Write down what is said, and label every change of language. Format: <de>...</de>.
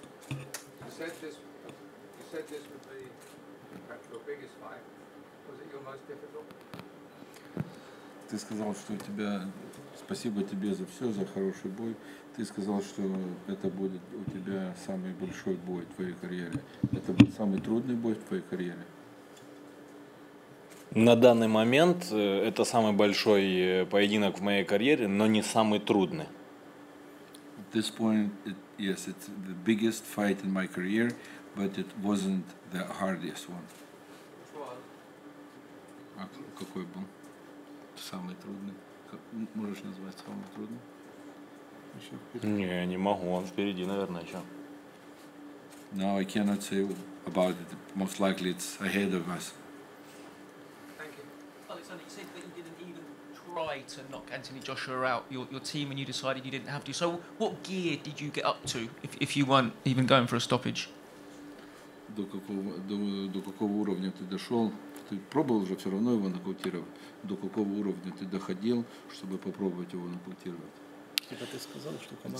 <en>You said this would be perhaps your biggest fight. Was it your most difficult?</en> <ru>Ты сказал, что спасибо тебе за все, за хороший бой. Ты сказал, что это будет у тебя самый большой бой в твоей карьере. Это будет самый трудный бой в твоей карьере? На данный момент это самый большой поединок в моей карьере, но не самый трудный.</ru> <en>At this point, yes, it's the biggest fight in my career, but it wasn't the hardest one.</en> <ru>А какой был? Самый трудный. Можешь назвать самый трудный? Не, не могу. Он впереди, наверное, еще.</ru> <en>No, I cannot say about it. Most likely it's ahead of us. Thank you. Alexander, you said that you didn't even try to knock Anthony Joshua out, your team, and you decided you didn't have to. So what gear did you get up to if you weren't even going for a stoppage?</en> <ru>До какого уровня ты дошел? Ты пробовал же все равно его нокаутировать. До какого уровня ты доходил, чтобы попробовать его нокаутировать? Типа ты сказал, что команда...</ru>